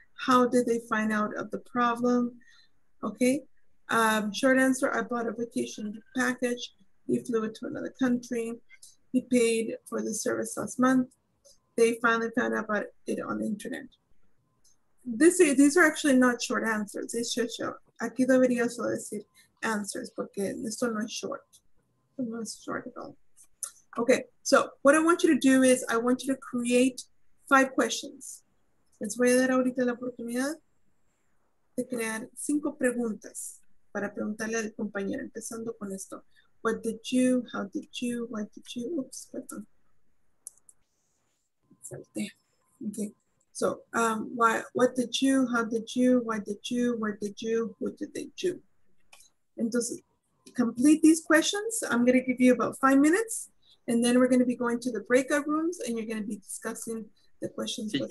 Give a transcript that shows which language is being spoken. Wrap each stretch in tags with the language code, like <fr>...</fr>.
<en>How did they find out of the problem? Okay. Short answer, I bought a vacation package. He flew it to another country. He paid for the service last month. They finally found out about it on the internet. These are actually not short answers. It's just short.</en> <es>Aquí debería solo decir answers, porque esto no es short. No es</es> <en>short at all. Okay, so what I want you to do is I want you to create five questions.</en> <es>Les voy a dar ahorita la oportunidad de crear cinco preguntas para preguntarle al compañero, empezando con esto.</es> <en>What did you, how did you, why did you, oops,</en> <es>perdón. Salté.</es> <en>Okay. So, why, what did you, how did you, why did you, where did you, who did they do?</en> <es>Entonces,</es> <en>complete these questions. I'm going to give you about 5 minutes, and then we're going to be going to the breakout rooms, and you're going to be discussing the questions with one.</en>